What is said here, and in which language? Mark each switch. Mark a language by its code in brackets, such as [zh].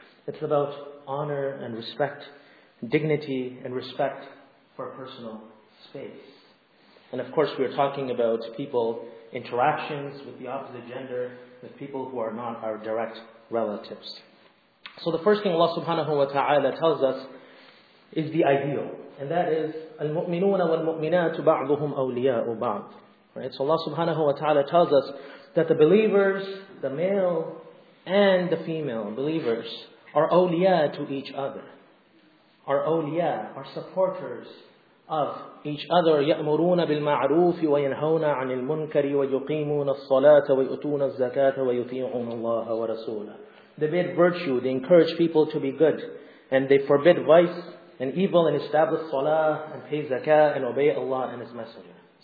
[en] It's about honor and respect, dignity and respect for personal space. And of course, we're talking about people, interactions with the opposite gender, with people who are not our direct relatives. So the first thing Allah subhanahu wa ta'ala tells us is the ideal. And that is, [ar] المؤمنون والمؤمنات بعضهم أولياء بعض. [en] Right? So Allah subhanahu wa ta'ala tells us that the believers, the male and the female believers, are أولياء to each other. Are أولياء, are supporters of each other. [ar] يأمرون بالمعروف وينهون عن المنكر ويقيمون الصلاة ويؤتون الزكاة ويطيعون الله ورسوله. [en] They bear virtue, they encourage people to be good, and they forbid vice and evil, and establish salah and pay zakah and obey Allah and His Messenger.